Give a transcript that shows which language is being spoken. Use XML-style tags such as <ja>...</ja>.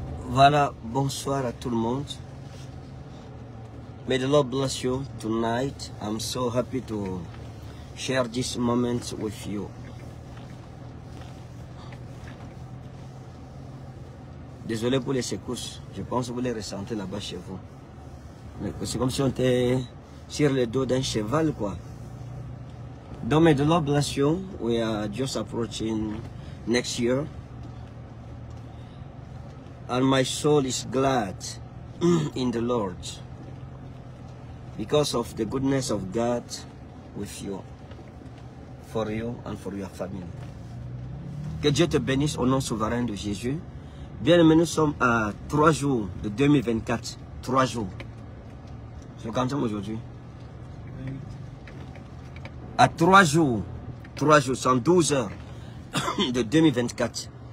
<fr>Voilà, bonsoir à tout le monde.</fr> <en>May the Lord bless you tonight. I'm so happy to share this moment with you.</en> <fr>Désolé pour les secousses. Je pense que vous les ressentez là-bas chez vous. Mais c'est comme si on était sur le dos d'un cheval, quoi. Donc,</fr> <en>may the Lord bless you. We are just approaching next year. And my soul is glad in the Lord because of the goodness of God with you, for you and for your family.</en> <fr>Que Dieu te bénisse au nom souverain de Jésus. Bien-aimés, nous sommes à 3 jours de 2024. 3 jours. C'est le quantum aujourd'hui. À 3 jours. 3 jours, 112 heures de 2024.</fr>